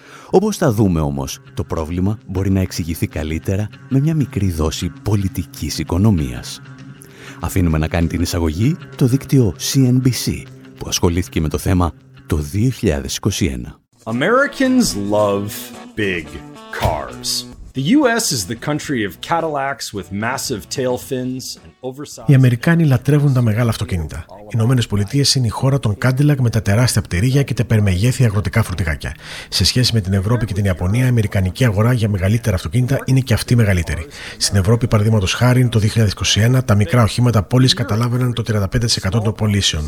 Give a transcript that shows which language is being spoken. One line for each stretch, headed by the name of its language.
Greek: Όπως θα δούμε όμως, το πρόβλημα μπορεί να εξηγηθεί καλύτερα με μια μικρή δόση πολιτικής οικονομίας. Αφήνουμε να κάνει την εισαγωγή το δίκτυο CNBC, που ασχολήθηκε με το θέμα το 2021.
English: Americans love big cars. The US is the country of Cadillacs with massive tail fins.
Greek: Οι Αμερικάνοι λατρεύουν τα μεγάλα αυτοκίνητα. Οι Ηνωμένες Πολιτείες είναι η χώρα των Cadillac με τα τεράστια πτερίγια και τα υπερμεγέθη αγροτικά φορτηγάκια. Σε σχέση με την Ευρώπη και την Ιαπωνία, η αμερικανική αγορά για μεγαλύτερα αυτοκίνητα είναι και αυτή μεγαλύτερη. Στην Ευρώπη, παραδείγματος χάρη, το 2021 τα μικρά οχήματα πόλης καταλάβαιναν το 35% των πωλήσεων.